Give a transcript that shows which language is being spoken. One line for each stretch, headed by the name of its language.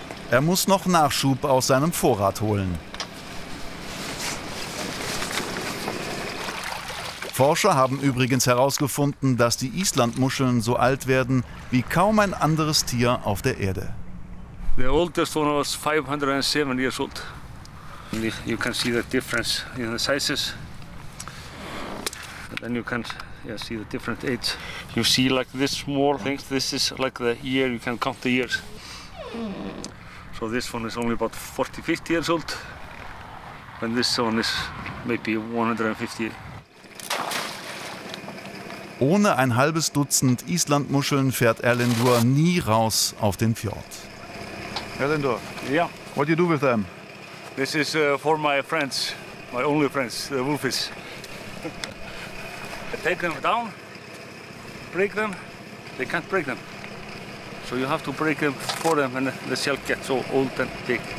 German: Er muss noch Nachschub aus seinem Vorrat holen. Forscher haben übrigens herausgefunden, dass die Islandmuscheln so alt werden wie kaum ein anderes Tier auf der Erde.
English: The oldest one was 507 years old. You can see the difference in the sizes. And then you can see the different age. You see like this small thing, this is like the year, you can count the years. So this one is only about 40, 50 years old. And this one is maybe 150.
German: Ohne ein halbes Dutzend Islandmuscheln fährt Erlendur nie raus auf den Fjord. Erlendur,
English: yeah. What do you do with them? This is for my friends, my only friends, the wolfies. I take them down, break them, they can't break them. So you have to break them for them when the shell gets so old and big.